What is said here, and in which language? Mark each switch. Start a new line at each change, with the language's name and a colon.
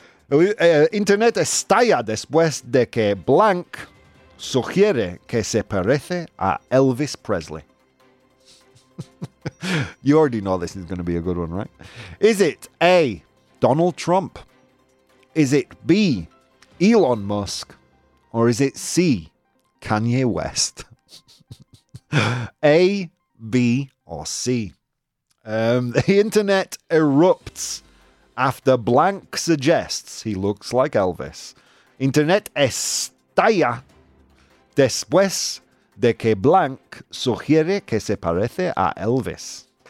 Spanish: Internet estalla después de que blank sugiere que se parece a Elvis Presley.
English: You already know this is going to be a good one, right? Is it A, Donald Trump? Is it B, Elon Musk? Or is it C, Kanye West? A, B, or C? The internet erupts after blank suggests he looks like Elvis.
Spanish: Internet estalla después de que blank sugiere que se parece a Elvis.